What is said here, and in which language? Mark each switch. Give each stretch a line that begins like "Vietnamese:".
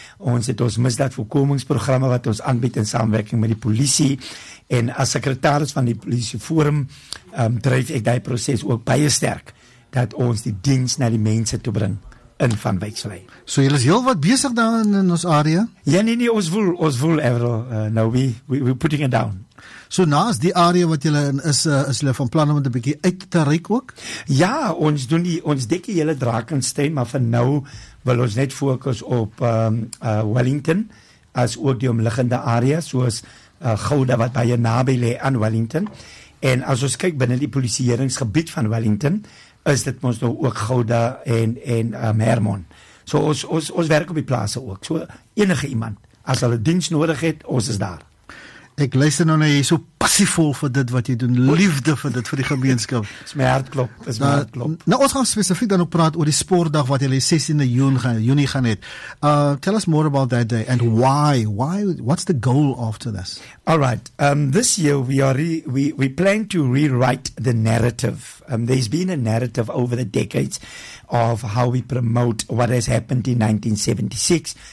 Afrikaans: Ons het ons misdaadvoorkomingsprogramme wat ons aanbied in samenwerking met die politie. En as sekretaris van die politieforum dryf ek die proces ook baie sterk dat ons die diens na die mense toe bring in Van Wyksvlei. So jy is heel wat besig daar in ons area? Ja, nee, ons voel,
English: Averill, now we're putting it down.
Afrikaans: So naast die area wat julle in is, is julle van plan om dit 'n bietjie uit te reik ook? Ja, ons dek die hele Drakensberg, maar vir nou wil ons net fokus op Wellington as ook die omliggende area, soos Gouda wat baie naby lê aan Wellington. En as ons kyk binne die polisieeringsgebied van Wellington, is dit ons nou ook Gouda en Hermon. So ons werk op die plase ook. So enige iemand, as hulle diens nodig het, ons is daar. Ek luister nou na jy so passievol vir dit wat jy doen, liefde vir dit, vir die gemeenskap. Is my hart klop. Nou, ons gaan specifiek dan ook praat oor die sportdag wat jy 16 juni gaan het.
English: Tell us more about that day and why, what's the goal after this? Alright, this year we plan to rewrite the narrative. There's been a narrative over the decades of how we promote what has happened in 1976.